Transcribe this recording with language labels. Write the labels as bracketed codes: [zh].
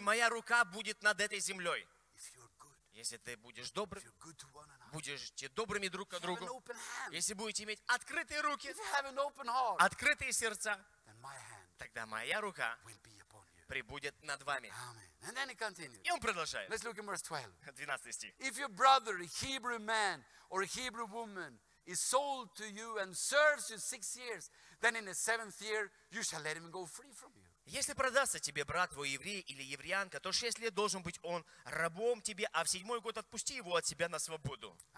[ru] И моя рука будет над этой землей. [en] If you're good. [ru] Если ты будешь добрым, [en] if you're good to one another. [ru] Будете добрыми друг к другу. [en] If you have an open hand. [ru] Если будете иметь открытые руки, [en] if you have an open heart. [ru] Открытые сердца, [en] my hand. [ru] Тогда моя рука прибудет над вами. [en] Amen. And then he continues. [ru] И он продолжает. [en] Let's look at verse 12. [ru] 12 стих. [en] If your brother, a Hebrew man or a Hebrew woman, is sold to you and serves you 6 years, then in the 7th year you shall let him go free from you. [ru] Если продастся тебе брат твой еврей или евреянка, то 6 лет должен быть он рабом тебе, а в 7-й год отпусти его от себя на свободу.